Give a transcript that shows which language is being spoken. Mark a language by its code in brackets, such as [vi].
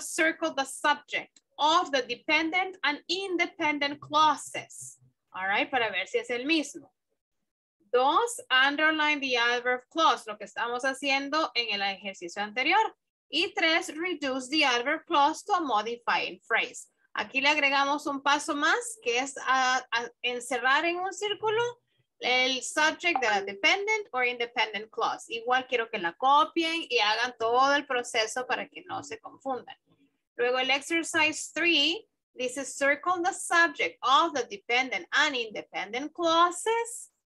[en] Circle the subject of the dependent and independent clauses. All right, [es] para ver si es el mismo. Dos, [en] underline the adverb clause, [es] lo que estamos haciendo en el ejercicio anterior. Y tres, [en] reduce the adverb clause to a modifying phrase. [es] Aquí le agregamos un paso más, que es a encerrar en un círculo el subject de la [en] dependent or independent clause. [es] Igual quiero que la copien y hagan todo el proceso para que no se confundan. Luego el [en] exercise 3 [es] dice, [en] circle the subject of the dependent and independent clauses.